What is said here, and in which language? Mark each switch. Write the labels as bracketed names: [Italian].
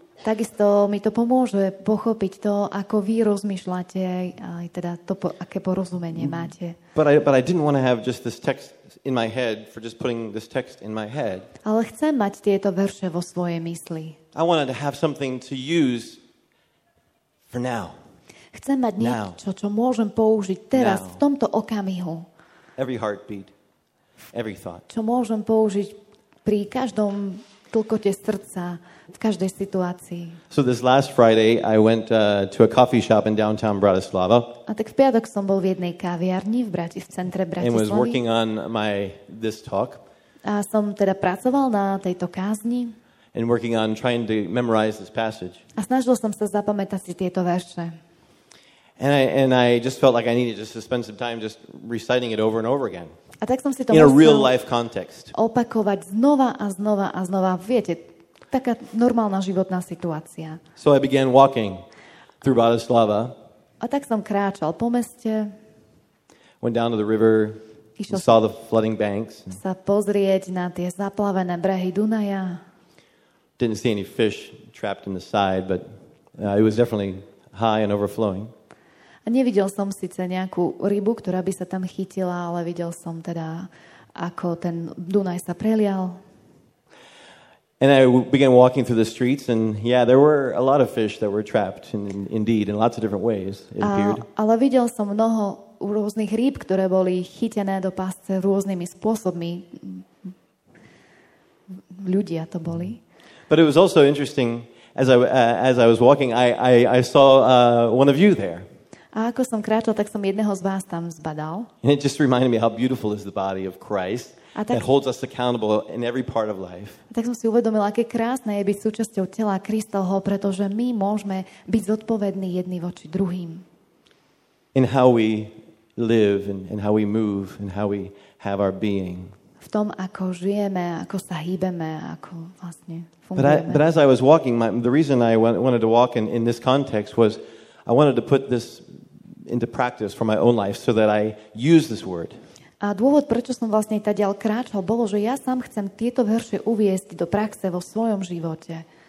[Slovak] Takisto mi to pomôže pochopiť to, ako vy rozmýšľate, aj teda to, aké porozumenie máte. [English] But I didn't want to have just this text in my head for just putting this text in my head. [Slovak] Ale chcem mať tieto verše vo svojej mysli. [English] I wanted to have something to use for now. [Slovak] Chcem mať niečo, čo môžem použiť teraz, [English] now. [Slovak] V tomto okamihu. [English] Every heartbeat, every thought. [Slovak] Čo môžem použiť pri každom tlkote srdca, v každej situácii. [English] So this last Friday I went to a coffee shop in downtown Bratislava. [Slovak] A tak v piatok som bol v jednej kaviarni v centre Bratislavy. [English] And was working on this talk. [Slovak] A som teda pracoval na tejto kázni. [English] And working on trying to memorize this passage. [Slovak] A snažil som sa zapamätať si tieto verše. [English] And I just felt like I needed just to spend some time just reciting it over and over again. [Slovak] A tak som si to [English] in a real life context. [Slovak] Opakovať znova a znova a znova, viete, taká normálna životná situácia. [English] So I began walking through Bratislava. [Slovak] A tak som kráčal po meste. [English] Went down to the river. [Slovak] Išiel [English] and saw the flooding banks. [Slovak] Sa pozrieť na tie zaplavené brehy Dunaja. [English] Didn't see any fish trapped in the side, but it was definitely high and overflowing. [Slovak] A nevidel som síce nejakú rybu, ktorá by sa tam chytila, ale videl som teda, ako ten Dunaj sa prelial. [English] And I began walking through the streets and yeah, there were a lot of fish that were trapped indeed in lots of different ways, it appeared. [Slovak] Ale videl som mnoho rôznych rýb, ktoré boli chytené do pásce rôznymi spôsobmi. Ľudia to boli. [English] But it was also interesting as I was walking, I saw one of you there. [Slovak] A ako som kráčal, tak som jedného z vás tam zbadal. [English] And it just reminded me how beautiful is the body of Christ. That holds us accountable in every part of life. [Slovak] Tak som si uvedomil, aké krásne je byť súčasťou tela Kristovho, pretože my môžeme byť zodpovední jedni voči druhým. [English] In how we live and how we move and how we have our being. [Slovak] V tom, ako žijeme, ako sa hýbeme, ako vlastne fungujeme. [English] But as I was walking, the reason I wanted to walk in this context was I wanted to put this into practice for my own life so that I use this word. [Slovak] A dôvod, prečo som vlastne tadiaľ kráčal, bolo, že ja sám chcem tieto verše uviesť do praxe vo svojom živote.